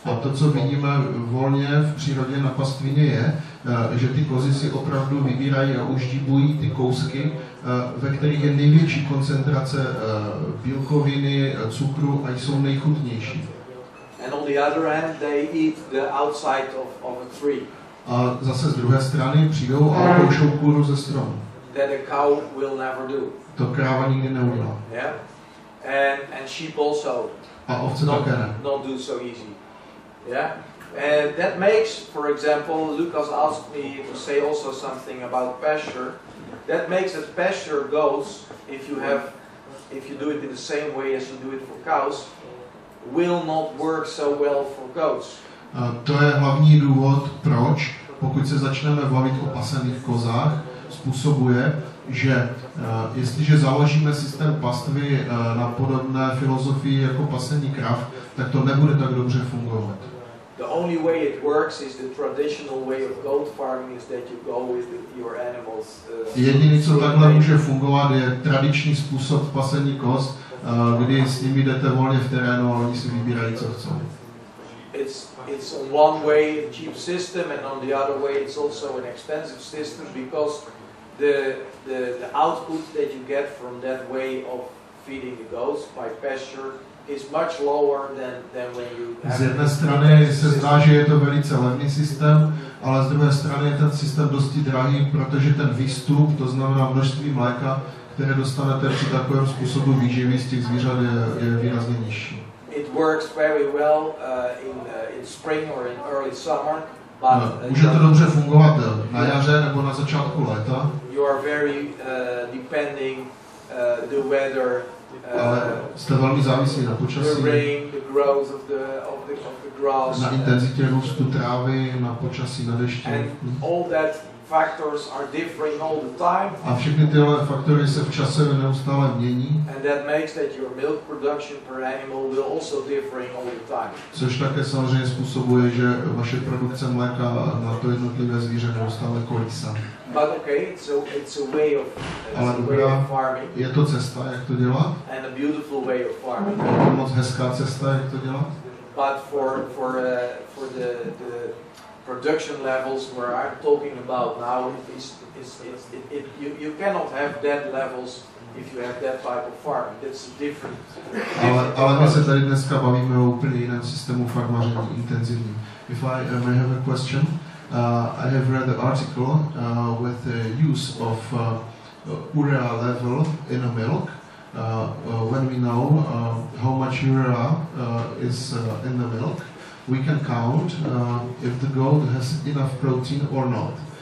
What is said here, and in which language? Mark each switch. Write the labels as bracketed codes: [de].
[cs] A to, co vidíme volně v přírodě na pastvině, je, že ty kozy si opravdu vybírají a uždibují ty kousky, ve kterých je největší koncentrace bílkoviny, cukru a jsou nejchutnější. [en] And on the other hand, they eat the outside of a tree. [cs] A zase z druhé strany přijdou a pokoušou kůru ze stromu. [en] That a cow will never do. [cs] To kráva nikdy neudělá. [en] Yeah? And sheep also not do so easy, yeah. And that makes, for example, Lucas asked me to say also something about pasture. That makes that pasture goats, if you do it in the same way as you do it for cows, will not work so well for goats. [cs] To je hlavní důvod, proč, pokud se začneme bavit o pasených kozách, způsobuje, že jestliže založíme systém pastvy na podobné filozofii jako pasení krav, tak to nebude tak dobře fungovat. [en] The only way it works is the traditional way of goat farming is that you go with your animals. [cs] Jediné, co takhle může fungovat, je tradiční způsob pasení koz, kdy s nimi jdete volně v terénu a oni si vybírají, co chcou. [en] It's on one way a cheap system and on the other way it's also an expensive system because the output that you get from that way of feeding the goats by pasture is much lower than when you [cs] have. Z jedné strany se zdá, že je to velice levný systém, ale z druhé strany je ten systém dosti drahý, protože ten výstup, to znamená množství mléka, které dostanete při takovém způsobu výživy z těch zvířat, je výrazně nižší. [en] It works very well in spring or in early summer. [cs] Může to dobře fungovat na jaře nebo na začátku léta. [en] You are very depending the weather. [cs] Jste velmi závislí na počasí. [en] The rain, the growth of the grass. [cs] Na intenzitě růstu trávy, na počasí, na dešti. [en] And all that factors are differing all the time. [cs] A všechny tyhle faktory se v čase neustále mění. [en] And that makes that your milk production per animal will also differing all the time. [cs] Což také samozřejmě způsobuje, že vaše produkce mléka na to jednotlivé zvíře neustále kolísá. [en] But okay, so it's a way of, farming. [cs] Je to cesta, jak to dělat? [en] And a beautiful way of farming. [cs] Je to moc hezká cesta, jak to dělat? [en] But for the production levels where I'm talking about now is you cannot have that levels if you have that type of farming. That's different. [cs] Ale my se tady dneska bavíme o úplně jiném systému farmaření intenzivní. [en] If I may have a question. I have read an article with the use of urea level in a milk. When we know how much urea is in the milk, we can count if the goat has enough protein or not.